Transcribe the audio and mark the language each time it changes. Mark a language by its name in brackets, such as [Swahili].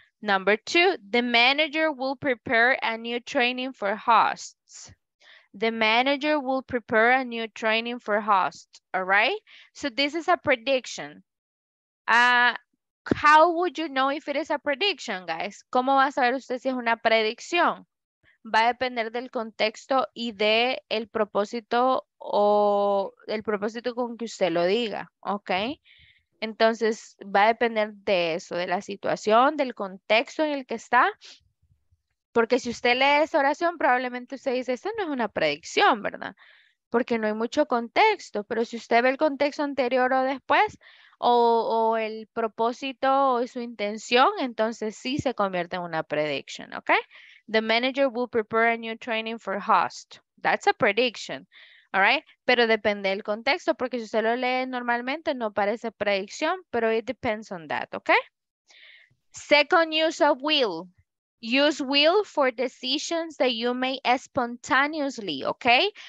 [English] Number two, the manager will prepare a new training for hosts. The manager will prepare a new training for hosts, all right? So this is a prediction. How would you know if it is a prediction, guys? [Spanish] ¿Cómo va a saber usted si es una predicción? Va a depender del contexto y de el propósito o el propósito con que usted lo diga, okay? Entonces, va a depender de eso, de la situación, del contexto en el que está. Porque si usted lee esa oración, probablemente usted dice, esta no es una predicción, ¿verdad? Porque no hay mucho contexto. Pero si usted ve el contexto anterior o después, o el propósito o su intención, entonces sí se convierte en una prediction, ¿ok? [English] The manager will prepare a new training for host. That's a prediction. All right, [Spanish] pero depende del contexto, porque si usted lo lee normalmente no parece predicción, pero [English] it depends on that, okay? Second use of will. Use will for decisions that you make spontaneously, okay?